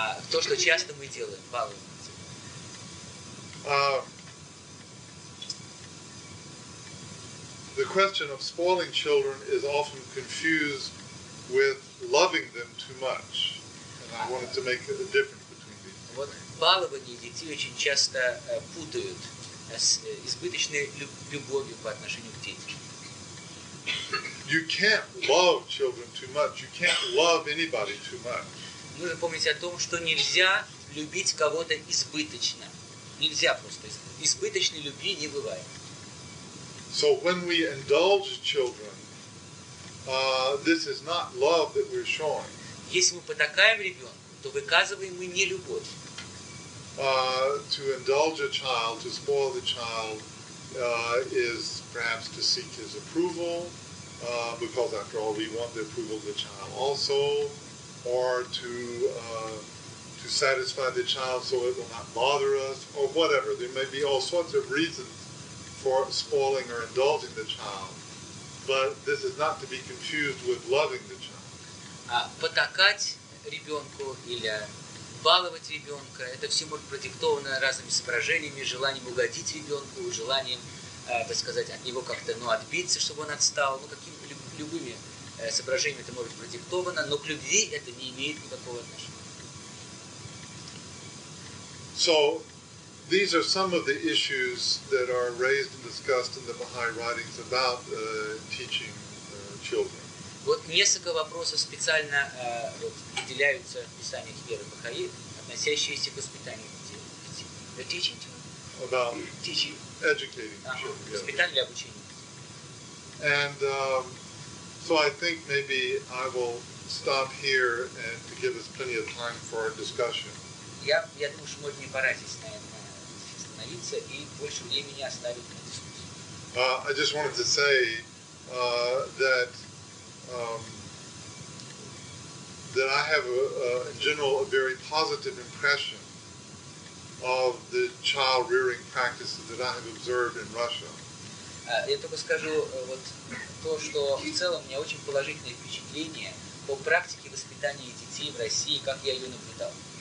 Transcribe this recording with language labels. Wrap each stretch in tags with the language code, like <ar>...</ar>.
<ru>То, что часто мы делаем, баловать детей.</ru> <en>The question of spoiling children is often confused with loving them too much. And I wanted to make a difference between these two.</en> <ru>Вот балование детей очень часто путают с избыточной любовью по отношению к детям.</ru> <en>You can't love children too much. You can't love anybody too much.</en> <ru>Нужно помнить о том, что нельзя любить кого-то избыточно. Нельзя просто. Избыточной любви не бывает.</ru> <en>So when we indulge children, this is not love that we're showing.</en> <ru>Если мы потакаем ребенку, то выказываем мы не любовь.</ru> <en>To indulge a child, to spoil the child, is perhaps to seek his approval, because after all, we want the approval of the child also, or to satisfy the child so it will not bother us, or whatever. There may be all sorts of reasons for spoiling or indulging the child, but this is not to be confused with loving the child.</en> <ru>Потакать ребенку или баловать ребенка – это все может продиктовано разными соображениями, желанием угодить ребенку, желанием, так сказать, от него как-то, отбиться, чтобы он отстал. Любыми соображениями это может быть продиктовано, но к любви это не имеет никакого отношения.</ru> <en>So. These are some of the issues that are raised and discussed in the Baha'i writings about teaching children.</en> <ru>Вот несколько вопросов специально выделяются в писаниях Веры Бахаи, относящиеся к воспитанию детей.</ru> <en>Teaching children. About teaching. Educating children.</en> <ru>Воспитание для обучения.</ru> <en>And so I think maybe I will stop here and to give us plenty of time for our discussion.</en> <ru>Я думаю, что может не пора здесь на это.</ru> <en>I just wanted to say that that I have in general a very positive impression of the child rearing practices that I have observed in Russia.</en> <ru>Я только скажу вот то, что в целом у меня очень положительное впечатление по практике воспитания детей в России, как я ее наблюдал.</ru>